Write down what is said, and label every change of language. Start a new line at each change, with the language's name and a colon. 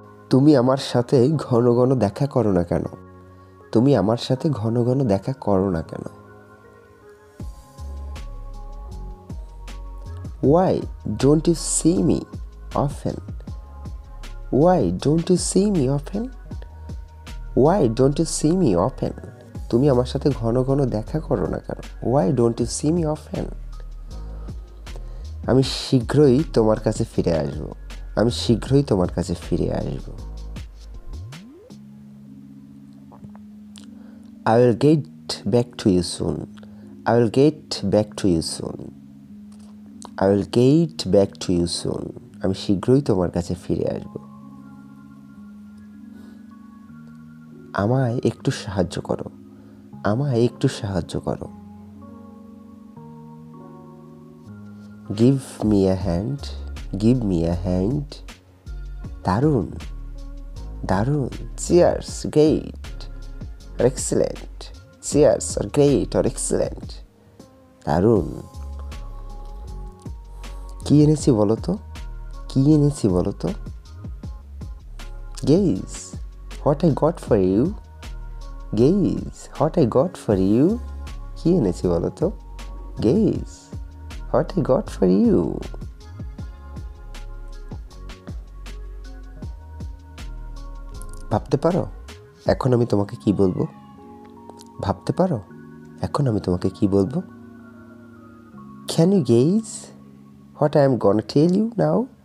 Bangla: তুমি আমার সাথে ঘন ঘন দেখা করো না কেন, তুমি আমার সাথে ঘন ঘন দেখা করো না কেন।
English: Why don't you see me often? Why don't you see me often? Why don't you see me often?
Bangla: তুমি আমার সাথে ঘন ঘন দেখা করো না কেন।
English: Why don't you see me often?
Bangla: আমি শীঘ্রই তোমার কাছে ফিরে আসব, আমি শীঘ্রই তোমার কাছে ফিরে আসব।
English: I will get back to you soon. I will get back to you soon. I will get back to you soon.
Bangla: আমি শীঘ্রই তোমার কাছে ফিরে আসব। আমায় একটু সাহায্য করো, আমায় একটু সাহায্য করো।
English: Give me a hand, give me a hand.
Bangla: দারুণ, দারুণ।
English: Cheers, great or excellent. Cheers or great or excellent.
Bangla: দারুণ। কী এনেছি বলো তো, কী এনেছি বলো তো।
English: Guess what I got for you, guess what I got for you.
Bangla: কী এনেছি বলো তো,
English: Guess what I got for you.
Bangla: ভাবতে পারো এখন আমি তোমাকে কী বলবো, ভাবতে পারো এখন আমি তোমাকে কী বলবো।
English: Can you guess What I am gonna tell you now?